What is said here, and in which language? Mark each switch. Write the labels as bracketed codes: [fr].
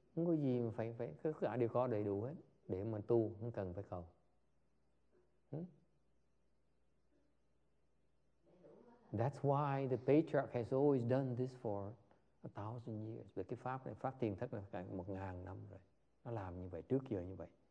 [vi] Không có gì mà phải tất cả đều có đầy đủ hết để mà tu, không cần phải cầu. [en] That's why the patriarch has always done this for 1,000 years. [vi] Vì cái pháp này, pháp thiền thất là cả 1,000 năm rồi, nó làm như vậy trước giờ như vậy.